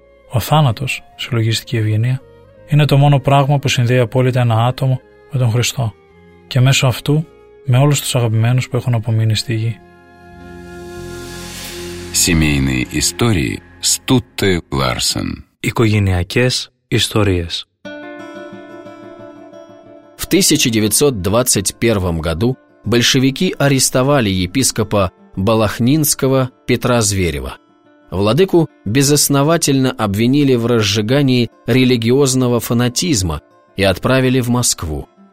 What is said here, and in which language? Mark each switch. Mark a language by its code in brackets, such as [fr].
[el] Ο θάνατος, συλλογίστηκε η Ευγενία, είναι το μόνο πράγμα που συνδέει απόλυτα ένα άτομο με τον Χριστό και μέσω αυτού με όλους τους αγαπημένους που έχουν απομείνει στη γη. [ru] Семейные истории Стутте Ларсен. [el] Οικογενειακές ιστορίες. [ru] В 1921 году большевики арестовали епископа Балахнинского Петра Зверева. Владыку безосновательно обвинили в разжигании религиозного фанатизма и отправили в Москву.